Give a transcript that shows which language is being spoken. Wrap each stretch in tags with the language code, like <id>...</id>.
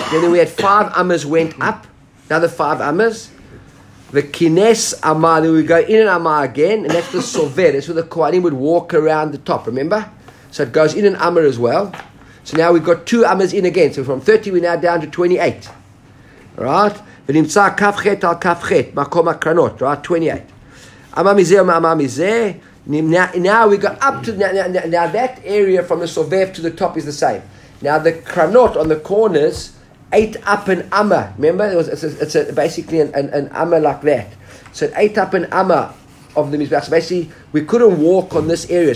<en>Then we had five Amas went up. Another five Amas. The Kines Amah. Then we go in an Amah again. And that's the Sover. That's where the Kohanim would walk around the top, remember? So it goes in an Amah as well. So now we've got two Amas in again. So from 30, we're now down to 28. Right?</en> <he>ונמצא כף חט על כף חט, מקום הקרנות,</he> <en>right?</en> <he>28. אמה מזה ומאמה מזה.</he> <en>Now we go up to, now that area from the sovev to the top is the same. Now the קרנות on the corners ate up an amma. Remember? It's basically an amma like that. So it ate up an amma of the Mizbeach. So basically, we couldn't walk on this area.</en>